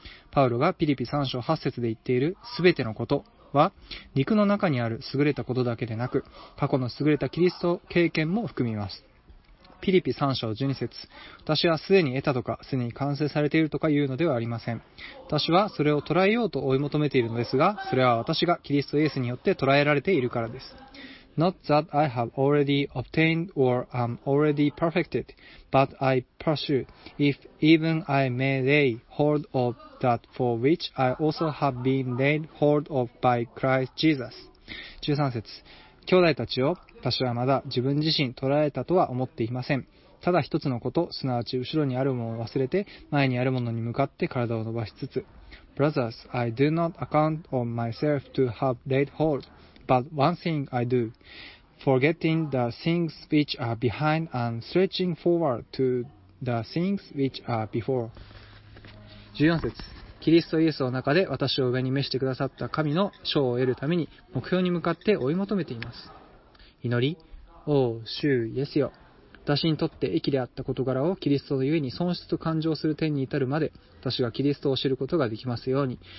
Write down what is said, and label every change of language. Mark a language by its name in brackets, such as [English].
[Japanese] パウロがピリピ3章8節で言っているすべてのことは、肉の中にある優れたことだけでなく、過去の優れたキリスト経験も含みます。ピリピ3章12節、私はすでに得たとか、すでに完成されているとかいうのではありません。私はそれを捉えようと追い求めているのですが、それは私がキリストイエスによって捉えられているからです。 [English] Not that I have already obtained or am already perfected, but I pursue, if even I may lay hold of that for which I also have been laid hold of by Christ Jesus. [Japanese] 13節、兄弟たちよ、私はまだ自分自身捉えたとは思っていません。ただ一つのこと、すなわち後ろにあるものを忘れて、前にあるものに向かって体を伸ばしつつ。 [English] Brothers, I do not account of myself to have laid hold. But one thing I do, forgetting the things which are behind and stretching forward to the things which are before. [Japanese] 14節、キリストイエスの中で私を上に召してくださった神の賞を得るために目標に向かって追い求めています。祈り、おう、主イエスよ。私にとって益であった事柄をキリストのゆえに損失と感情する点に至るまで、私がキリストを知ることができますように。